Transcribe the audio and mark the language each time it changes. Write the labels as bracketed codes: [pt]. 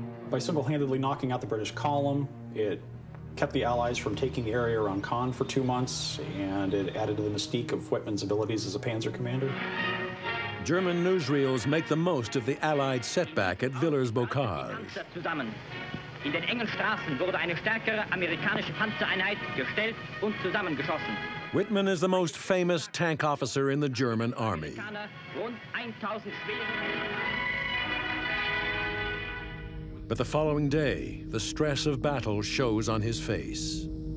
[en] By single-handedly knocking out the British column, it kept the Allies from taking the area around Caen for 2 months, and it added to the mystique of Wittmann's abilities as a panzer commander. German newsreels make the most of the Allied setback at Villers-Bocage. [de] In den engen Straßen wurde eine stärkere amerikanische Panzereinheit gestellt und zusammengeschossen. [en] Wittmann is the most famous tank officer in the German army. But the following day, the stress of battle shows on his face.